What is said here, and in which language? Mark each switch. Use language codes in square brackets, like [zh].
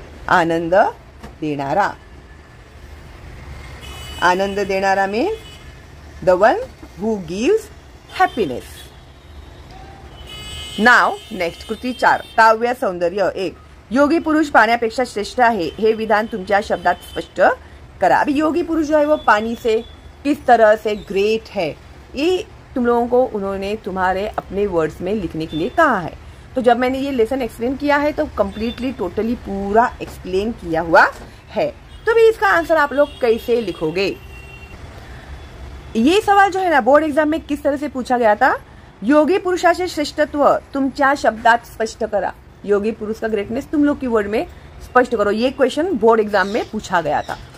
[mr] आनंद देणारा, आनंद देणारा [en] Mean the one who gives happiness. [mr] Now next कृती चार, काव्य सौंदर्य एक, योगी पुरुष पाण्यापेक्षा श्रेष्ठ आहे हे विधान तुमच्या शब्दात स्पष्ट करा। [hi] अभी योगी पुरुष जो है वो पानी से किस तरह से ग्रेट है, ये तुम लोगों को उन्होंने तुम्हारे अपने वर्ड्स में लिखने के लिए कहा है। तो जब मैंने ये लेसन एक्सप्लेन किया है तो कम्प्लीटली टोटली पूरा एक्सप्लेन किया हुआ है, तो भी इसका आंसर आप लोग कैसे लिखोगे, ये सवाल जो है ना बोर्ड एग्जाम में किस तरह से पूछा गया था, [mr] योगी पुरुषाचे श्रेष्ठत्व तुम चार शब्दात स्पष्ट करा, [hi] योगी पुरुष का ग्रेटनेस तुम लोग की वर्ड में स्पष्ट करो, ये क्वेश्चन बोर्ड एग्जाम में पूछा गया था।